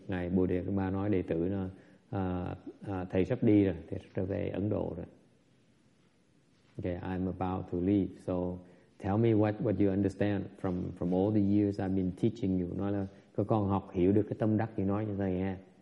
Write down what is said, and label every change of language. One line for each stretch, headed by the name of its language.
Vietnamese: Ngài Bồ Đề Ma nói đệ tử nó, thầy sắp đi rồi, thầy sắp trở về Ấn Độ rồi.
English: Okay, I'm about to leave. So tell me what you understand from all the years I've been teaching you.
Vietnamese: Nói là các con học hiểu được cái tâm đắc thì nói cho thầy nghe.